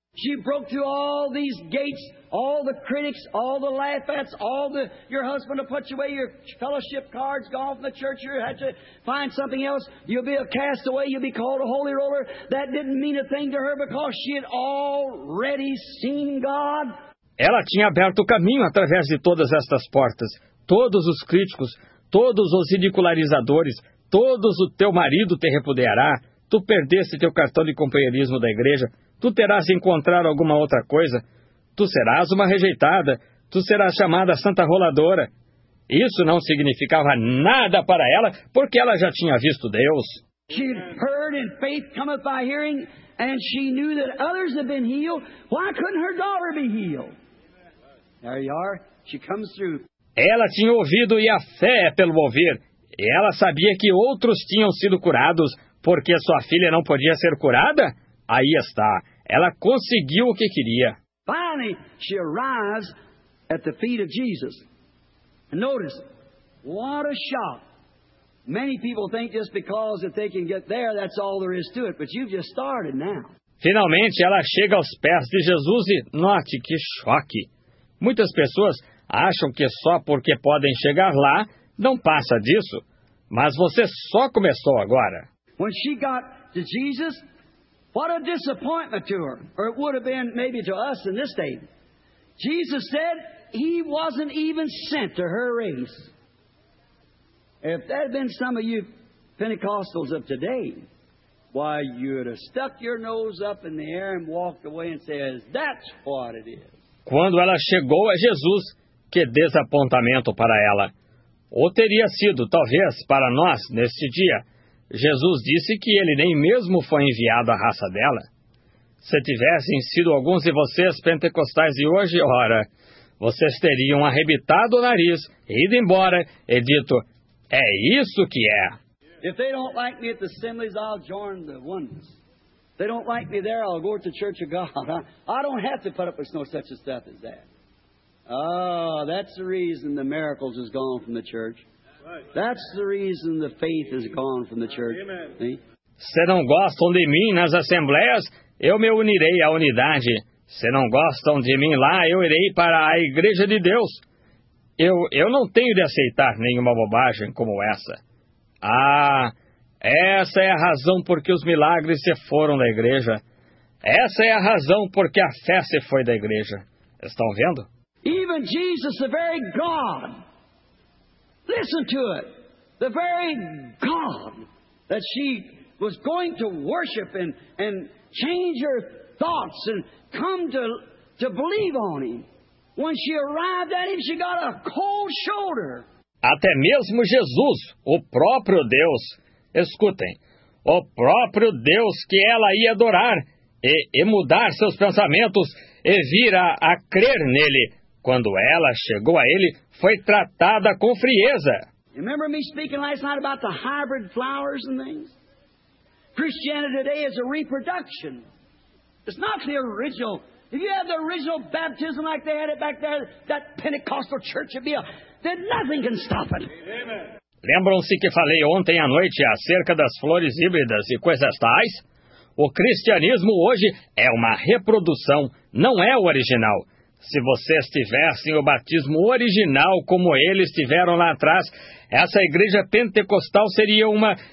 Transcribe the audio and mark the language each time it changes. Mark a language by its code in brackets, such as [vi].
[en] She broke through all these gates, all the critics, all the laugh-ats, all the, your husband will put you away, your fellowship cards gone from the church, you had to find something else, you'll be a castaway, you'll be called a holy roller. That didn't mean a thing to her because she had already seen God. [pt] Ela tinha aberto o caminho através de todas estas portas. Todos os críticos, todos os ridicularizadores, todos o teu marido te repudiará, tu perdeste teu cartão de companheirismo da igreja, tu terás de encontrar alguma outra coisa. Tu serás uma rejeitada. Tu serás chamada Santa Roladora. Isso não significava nada para ela, porque ela já tinha visto Deus. [en] She'd heard and faith cometh by hearing, and she knew that others have been healed. Why couldn't her daughter be healed? There you are. She comes through. [pt] Ela tinha ouvido e a fé é pelo ouvir. E ela sabia que outros tinham sido curados, porque sua filha não podia ser curada? Aí está. Ela conseguiu o que queria. [en] Finally, she arrives at the feet of Jesus. And notice, what a shock. Many people think just because if they can get there, that's all there is to it. But you've just started now. [pt] Finalmente, ela chega aos pés de Jesus e note que choque. Muitas pessoas acham que só porque podem chegar lá, não passa disso. Mas você só começou agora. [en] When she got to Jesus, what a disappointment to her, or it would have been maybe to us in this day. Jesus said he wasn't even sent to her race. If that had been some of you Pentecostals of today, why, you'd have stuck your nose up in the air and walked away and said, that's what it is. [pt] Quando ela chegou a Jesus, que desapontamento para ela. Ou teria sido, talvez, para nós, neste dia. Jesus disse que ele nem mesmo foi enviado à raça dela. Se tivessem sido alguns de vocês pentecostais de hoje, ora, vocês teriam arrebitado o nariz, ido embora e dito, é isso que é. [en] If they don't like me at the assemblies, I'll join the ones. If they don't like me there, I'll go to the church of God. I don't have to put up with no such a stuff as that. Oh, that's the reason the miracles is gone from the church. That's the reason the faith is gone from the church. [pt] Se não gostam de mim nas assembleias, eu me unirei à unidade. Se não gostam de mim lá, eu irei para a igreja de Deus. Eu não tenho de aceitar nenhuma bobagem como essa. Ah, essa é a razão porque os milagres se foram da igreja. Essa é a razão porque a fé se foi da igreja. Estão vendo? [en] Even Jesus, the very God. Listen to it. The very God that she was going to worship and change her thoughts and come to believe on him. When she arrived at him, she got a cold shoulder. [pt] Até mesmo Jesus, o próprio Deus, escutem, o próprio Deus que ela ia adorar e mudar seus pensamentos e vir a crer nele. Quando ela chegou a ele, foi tratada com frieza. [en] Remember me speaking last night about the hybrid flowers and things? Christianity today is a reproduction. It's not the original. If you had the original baptism like they had it back there, that Pentecostal church would be a... Then nothing can stop it. [pt] Lembram-se que falei ontem à noite acerca das flores híbridas e coisas tais? O cristianismo hoje é uma reprodução, não é o original. Se vocês tivessem o batismo original como eles tiveram lá atrás, essa igreja pentecostal seria uma...